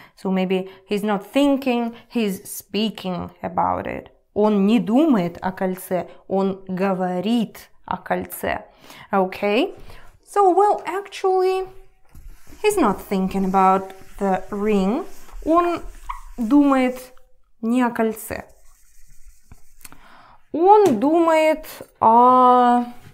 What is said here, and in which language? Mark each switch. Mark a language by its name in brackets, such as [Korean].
[English] So, maybe he's not thinking, he's speaking about it. [Russian] Он не думает о кольце, он говорит о кольце. [English] Okay? So, well, actually, he's not thinking about the ring. [Russian] Он думает не о кольце. Он думает о...